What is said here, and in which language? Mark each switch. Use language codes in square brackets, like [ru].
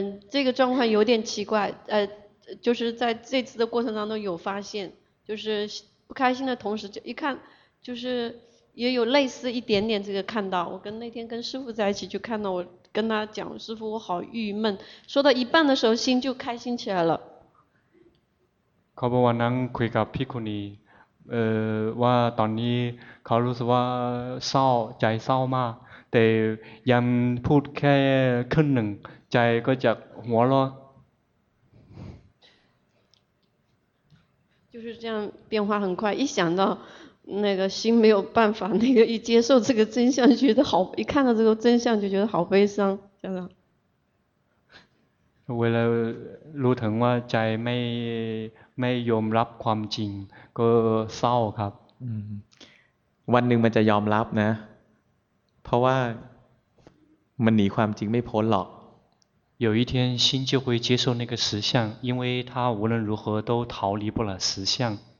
[zh] 这个状况有点奇怪就是在这次的过程当中有发现就是不开心的同时就一看就是也有类似一点点这个看到我跟那天跟师父在一起就看到我跟他讲师父我好郁闷说到一半的时候心就开心起来了 [th] เขาบอกว่านั่งคุยกับพี่คุณีว่าตอนนี้เขารู้สึกว่าเศร้าใจเศร้ามากแต่ยังพูดแค่ครึ่งหนึ่งใจก็จะหัวเราะ [zh] 就是这样变化很快，一想到那个心没有办法，那个一接受这个真相，觉得好，一看到这个真相就觉得好悲伤，这样。 [th] เวลารู้ถึงว่าใจไม่ยอมรับความจริงก็เศร้าครับ วันหนึ่งมันจะยอมรับนะเพราะว่ามันหนีความจริงไม่พ้นหรอก [zh] 有一天心就会接受那个实相因为他无论如何都逃离不了实相